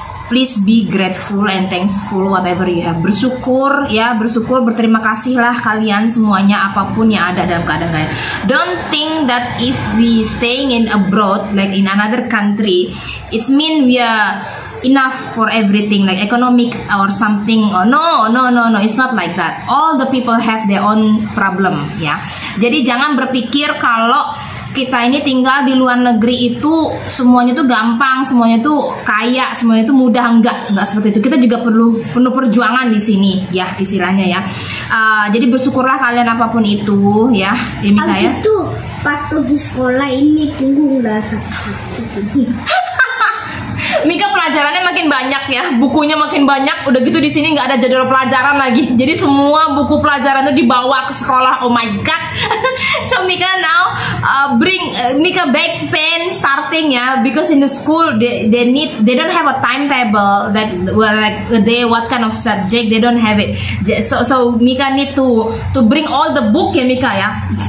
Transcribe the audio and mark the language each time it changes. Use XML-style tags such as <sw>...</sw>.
<en>Please be grateful and thankful whatever you have.</en> <id>Bersyukur ya, bersyukur, berterima kasih lah kalian semuanya apapun yang ada dalam keadaan kalian.</id> <en>Don't think that if we staying in abroad like in another country, it's mean we are enough for everything, like economic or something. Oh, no, it's not like that. All the people have their own problem, ya.</en> <id>Jadi jangan berpikir kalau kita ini tinggal di luar negeri itu semuanya tuh gampang, semuanya tuh kaya, semuanya tuh mudah. Enggak seperti itu. Kita juga perlu perjuangan di sini, ya, istilahnya, ya. Jadi bersyukurlah kalian apapun itu, ya. Abis itu pas di sekolah ini punggung udah sakit. Mika pelajarannya makin banyak, ya. Bukunya makin banyak. Udah gitu di sini nggak ada jadwal pelajaran lagi. Jadi semua buku pelajarannya dibawa ke sekolah.</id> <en>Oh my god. So Mika now bring Mika back pain starting, ya, because in the school they don't have a timetable that like they what kind of subject they don't have it. So Mika need to bring all the book, ya, Mika, ya.</en>